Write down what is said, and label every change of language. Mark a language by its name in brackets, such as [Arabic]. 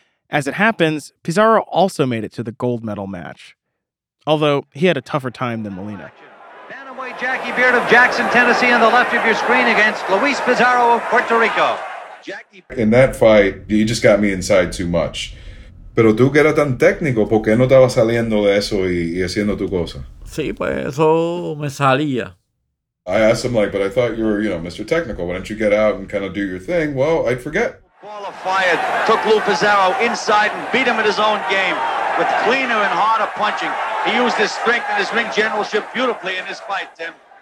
[English] As it happens, Pizarro also made it to the gold medal match, although he had a tougher time than Molina. Bantamweight Jackie Beard of Jackson, Tennessee, on the left of your screen against Luis Pizarro of Puerto Rico. In that fight, you just got me inside too much. [Spanish] Pero tú que eras tan técnico, ¿por qué no estabas saliendo de eso y haciendo tu cosa? Sí, pues eso me salía. [English] I asked him, like, but I thought you were, you know, Mr. Technical. Why don't you get out and kind of do your thing? Well, I'd forget. Qualified, took Lou Pizarro inside and beat him at his own game with cleaner and harder punching. He used his strength and his ring generalship beautifully in this fight, Tim.